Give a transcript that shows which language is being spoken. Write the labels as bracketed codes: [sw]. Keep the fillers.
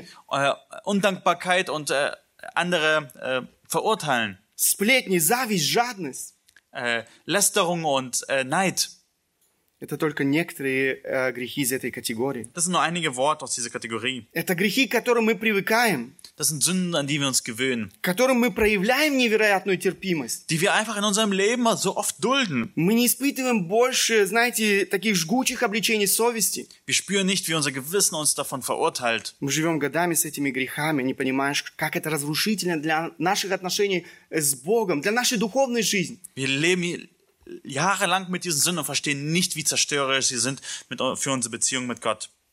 [de] Äh, Undankbarkeit und äh, andere äh, verurteilen. [ru] Сплетни, зависть, жадность äh, [de] Lästerung und äh, Neid [ru] Это только некоторые äh, грехи из этой категории. [de] Das sind nur einige Worte aus dieser Kategorie. [ru] Это грехи, к которым мы привыкаем. [de] Das sind Sünden, an die wir uns gewöhnen. [ru] К которым мы проявляем невероятную терпимость. [de] Die wir einfach in unserem Leben so oft dulden. [ru] Мы не испытываем больше, знаете, таких жгучих обличений совести. [de] Wir spüren nicht, wie unser Gewissen uns davon verurteilt. [ru] Мы живем годами с этими грехами, не понимаешь, как это разрушительно для наших отношений с Богом, для нашей духовной жизни. [de] Wir leben jahrelang mit diesen Sünden und verstehen nicht, wie zerstörerisch sie sind für unsere Beziehung mit Gott.